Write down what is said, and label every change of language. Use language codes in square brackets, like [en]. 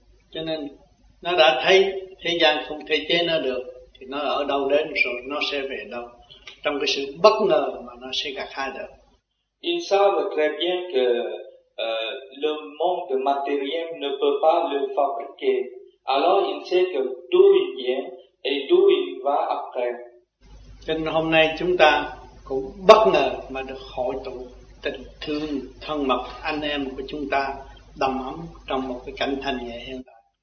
[vi] Cho nên, nó đã thấy thế gian không thể chế nó được, thì nó ở đâu đến rồi nó sẽ về đâu. Trong cái sự bất ngờ mà nó sẽ gặt hái được. [fr] Ils savent très bien que le monde matériel ne peut pas le fabriquer. Alors ils savent que d'où il vient et d'où il va après. [vi] Nên hôm nay chúng ta cũng bất ngờ mà được hội tụ tình thương thân mật anh em của chúng ta đầm ấm trong một cái cảnh thành nhẹ hiện tại.